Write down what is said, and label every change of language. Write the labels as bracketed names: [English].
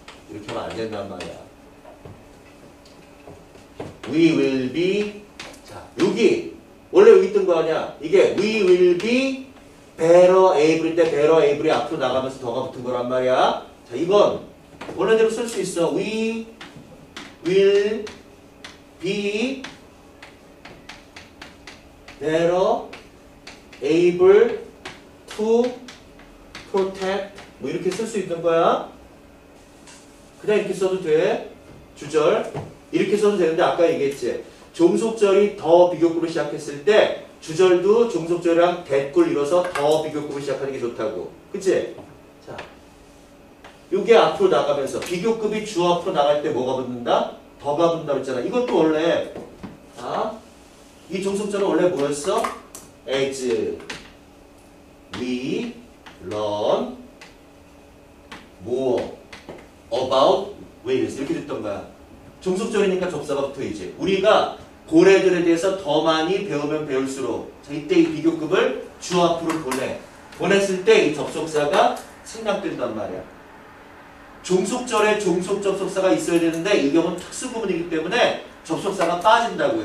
[Korean] 이렇게 하면 안 된단 말이야. [English] We will be. [Korean] 자, 여기. 원래 여기 뜬 거 아니야. 이게 [English] we will be better able [Korean] 인데 better able이 앞으로 나가면서 더가 붙은 거란 말이야. 자, 이건 원래대로 쓸 수 있어. [English] We will be better able to protect. [Korean] 뭐 이렇게 쓸 수 있는 거야. 그냥 이렇게 써도 돼. 주절. 이렇게 써도 되는데 아까 얘기했지. 종속절이 더 비교급으로 시작했을 때 주절도 종속절이랑 대꾸를 이뤄서 더 비교급으로 시작하는 게 좋다고. 그치? 자, 이게 앞으로 나가면서 비교급이 주 앞으로 나갈 때 뭐가 붙는다? 더가 붙는다고 했잖아. 이것도 원래 이 종속절은 원래 뭐였어? [English] As we learn more about whales. [Korean] 이렇게 됐던 거야. 종속절이니까 접사가 붙어야지. 우리가 고래들에 대해서 더 많이 배우면 배울수록. 자, 이때 이 비교급을 주 앞으로 보내. 보냈을 때 이 접속사가 생략된단 말이야. 종속절에 종속 접속사가 있어야 되는데 이 경우는 특수구문이기 때문에 접속사가 빠진다고요.